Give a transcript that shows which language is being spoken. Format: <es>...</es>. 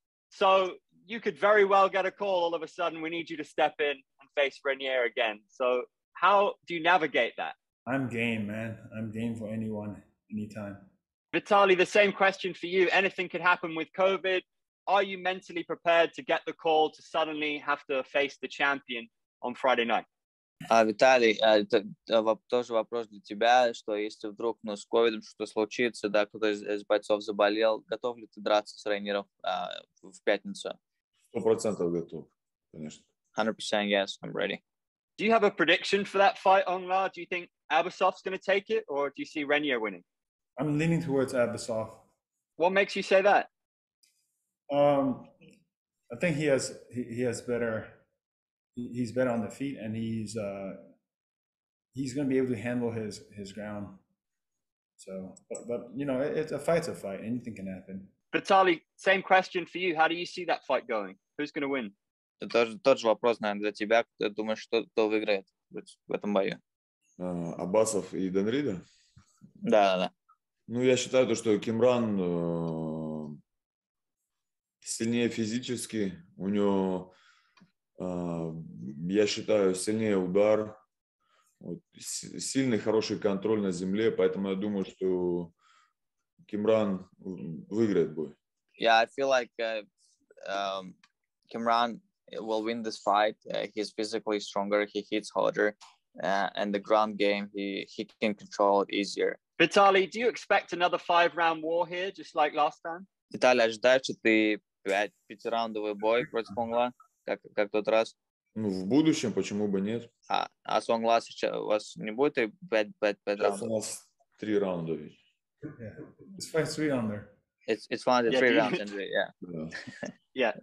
<en>So you could very well get a call all of a sudden. We need you to step in and face Renier again. So how do you navigate that? I'm game, man. I'm game for anyone, anytime. Vitaly, the same question for you. Anything could happen with COVID. Are you mentally prepared to get the call to suddenly have to face the champion on Friday night?</en> <ru>Виталий, тоже вопрос для тебя, что если вдруг с ковидом что-то случится, да, кто-то из бойцов заболел, готов ли ты драться с Рейнером в пятницу? 100% готов, конечно.</ru> <en>100% yes, I'm ready. Do you have a prediction for that fight, Aung La? Do you think Abasov's going to take it, or do you see Rainier winning? I'm leaning towards Abasov. What makes you say that? I think he has better... He's better on the feet, and he's going to be able to handle his ground. So, but you know, it's a fight's a fight. Anything can happen. Vitaly, same question for you. How do you see that fight going? Who's going to win?</en> <ru>Тот же вопрос, наверное, для тебя. Ты думаешь, что кто выиграет в этом бою? Абасов и Данрида? Да, да, да. Ну, я считаю, то, что Кимран сильнее физически. У него... я считаю, сильнее удар, вот, сильный, хороший контроль на земле, поэтому я думаю, что Кимран выиграет бой.</ru> <en>Yeah, I feel like Кимран will win this fight. He's physically stronger, he hits harder, and the ground game, he can control it easier. Vitaly, do you expect another 5-round war here, just like last time?</en> <ru>Vitaly, ожидаешь, что ты 5-раундовый бой против Aung La? Как тот раз? Ну, в будущем, почему бы нет? А с Aung La сейчас у вас не будет и 5 раундов? У нас 3 раунда.</ru> <en>Yeah. It's 5-3 on there. It's one of the 3 rounds, Andrew, yeah.</en>